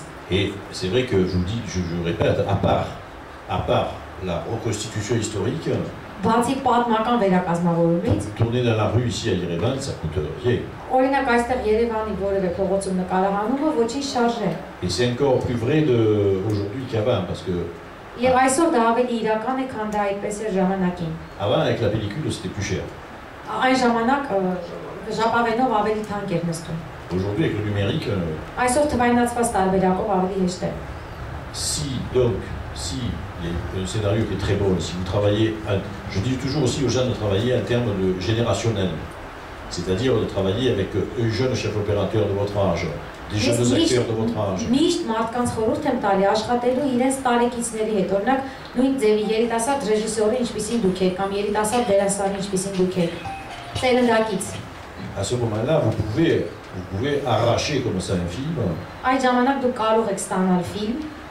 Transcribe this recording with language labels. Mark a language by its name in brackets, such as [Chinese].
[French] Et c'est vrai que je vous dis, je répète, à part la reconstitution historique, tourner dans la rue ici à Yerevan, ça coûte rien. [Armenian] Օրինակ այստեղ Երևանի որևէ փողոցում նկարահանումը ոչինչ չարժե։ [French] Et c'est encore plus vrai de aujourd'hui qu'avant parce que [Armenian] Եվ այսօր դա ավելի իրական է, քան դա այդպես էր ժամանակին։ [French] Avant avec la pellicule c'était plus cher. [Armenian] Այն ժամանակ ժապավենով ավելի թանկ էր նստում։ [French] Aujourd'hui avec le numérique [Armenian] Այսօր թվայնացված տարբերակով ավելի հեշտ է։ [French] Si donc si un scénario qui est très bon si vous travaillez je dis toujours aussi aux jeunes de travailler en termes de générationnel. C'est-à-dire de travailler avec un jeune chef opérateur de votre âge, des jeunes acteurs de votre âge. [Armenian] Միշտ մարդկանց խորհուրդ եմ տալի աշխատելու իրենց տարեկիցների հետ, օրինակ նույն ձևի երիտասարդ ռեժիսորը ինչպեսին դուք եք կամ երիտասարդ դերասանը ինչպեսին դուք եք։ Տերնդակից։ [French] À ce moment-là, vous pouvez arracher comme ça un film. [Armenian] Այդ ժամանակ դուք կարող եք ստանալ ֆիլմ։